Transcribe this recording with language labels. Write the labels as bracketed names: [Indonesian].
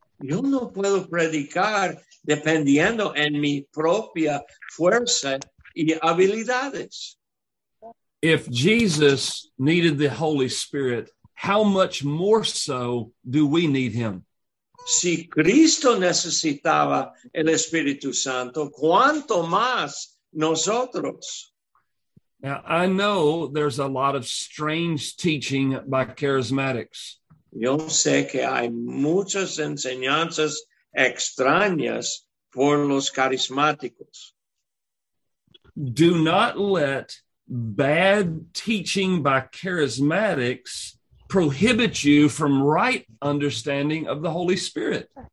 [Spanish] Yo no puedo predicar dependiendo en mi propia fuerza y habilidades. [English] If Jesus needed the Holy Spirit, how much more so do we need him? [Spanish] Si Cristo necesitaba el Espíritu Santo, ¿cuánto más nosotros? [English] Now, I know there's a lot of strange teaching by charismatics. [Spanish] Yo sé que hay muchas enseñanzas extrañas por los carismáticos. [English] Do not let bad teaching by charismatics prohibit you from right understanding of the Holy Spirit.